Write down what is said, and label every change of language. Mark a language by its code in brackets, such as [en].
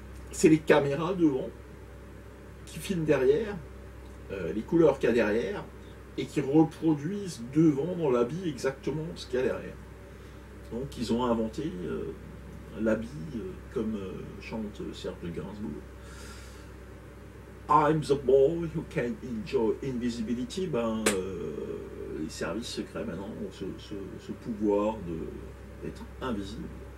[fr] C'est les caméras devant qui filment derrière, les couleurs qu'il y a derrière, et qui reproduisent devant dans l'habit exactement ce qu'il y a derrière. Donc ils ont inventé l'habit comme chante Serge Gainsbourg. [en] I'm the boy who can enjoy invisibility. [fr] Ben, les services secrets maintenant ont ce pouvoir d'être invisible.